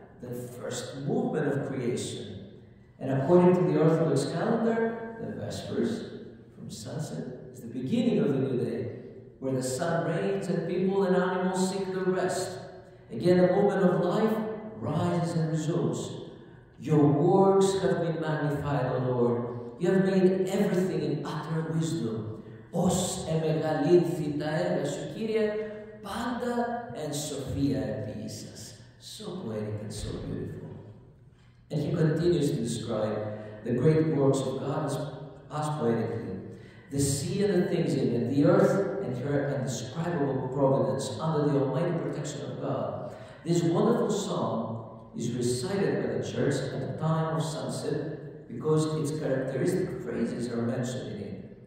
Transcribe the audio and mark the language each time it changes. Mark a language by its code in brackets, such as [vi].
[en] The first movement of creation. And according to the Orthodox calendar, the Vespers from sunset is the beginning of the new day, where the sun reigns and people and animals seek their rest. Again, the movement of life rises and resumes. Your works have been magnified, O Lord. You have made everything in utter wisdom. [el] Ως εμεγαλύνθη τα έργα σου, Κύριε, πάντα εν σοφία επί Ίσας. [en] So poetic and so beautiful. And he continues to describe the great works of God as poetically. The sea and the things in it, the earth and her indescribable providence under the almighty protection of God. This wonderful psalm is recited by the church at the time of sunset because its characteristic phrases are mentioned in it.